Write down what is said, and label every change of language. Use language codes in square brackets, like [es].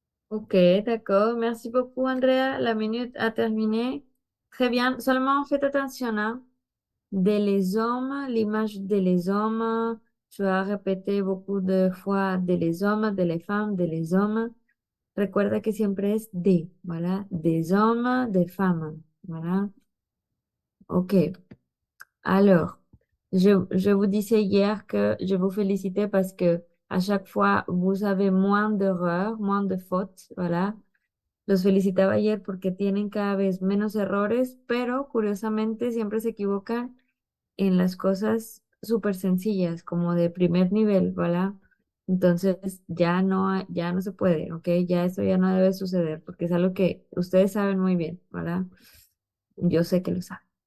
[fr] Ok, d'accord. Merci beaucoup, Andrea. La minute a terminé. Très bien. Seulement, faites attention, hein. De les hommes, l'image de les hommes. Tu as répété beaucoup de fois de les hommes, de les femmes, de les hommes. [es] Recuerda que siempre es de, voilà. [fr] Des hommes, des femmes, voilà. Ok. Alors, je vous disais hier que je vous félicitais parce que à chaque fois, vous avez moins d'erreurs, moins de fautes, voilà. [es] Los felicitaba ayer porque tienen cada vez menos errores, pero curiosamente siempre se equivocan en las cosas súper sencillas, como de primer nivel, ¿verdad? Entonces ya no se puede, ¿ok? Ya esto ya no debe suceder porque es algo que ustedes saben muy bien, ¿verdad? Yo sé que lo saben.